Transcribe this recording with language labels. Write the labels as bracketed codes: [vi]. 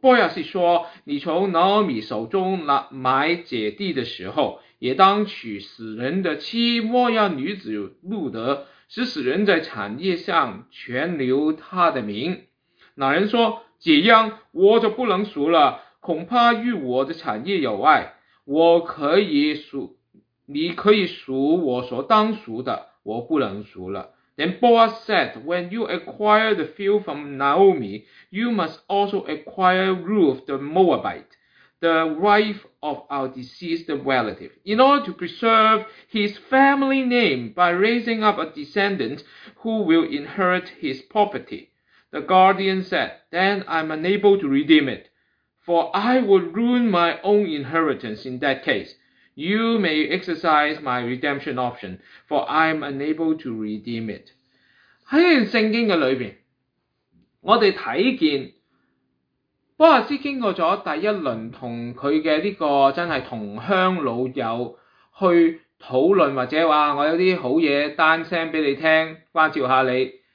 [zh] 波亚斯说，你从拿俄米手中买这地的时候，也当娶死人的妻摩押女子路德，使死人在产业上全留他的名。那人说，这样我就不能赎了，恐怕与我的产业有碍，我可以赎，你可以赎我所当赎的，我不能赎了。 [en] Then Boaz said, when you acquire the field from Naomi, you must also acquire Ruth the Moabite, the wife of our deceased relative, in order to preserve his family name by raising up a descendant who will inherit his property. The guardian said, then I'm unable to redeem it, for I would ruin my own inheritance in that case. You may exercise my redemption option, for I'm unable to redeem it. [zh] 在这段圣经的里面，我们看见波亚斯经过了第一轮和他的这个真是同乡老友去讨论，或者说我有些好东西单声给你听，关照一下你。